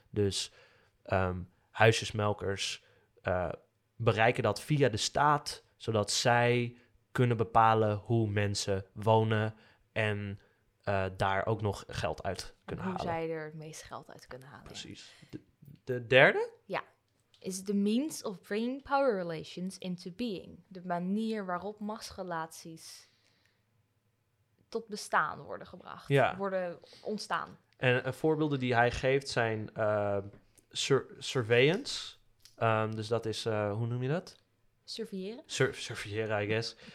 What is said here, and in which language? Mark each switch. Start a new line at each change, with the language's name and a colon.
Dutch: Dus huisjesmelkers bereiken dat via de staat, zodat zij kunnen bepalen hoe mensen wonen en daar ook nog geld uit kunnen halen. Hoe zij er het meest geld uit kunnen halen. Precies. De derde? Ja.
English: Is the means of bringing power relations into being.
Dutch: De manier waarop machtsrelaties tot bestaan worden gebracht. Ja. Worden ontstaan. En voorbeelden die hij geeft zijn surveillance. Dus dat is, hoe noem je dat? Surveilleren. Surveilleren,
English: I guess.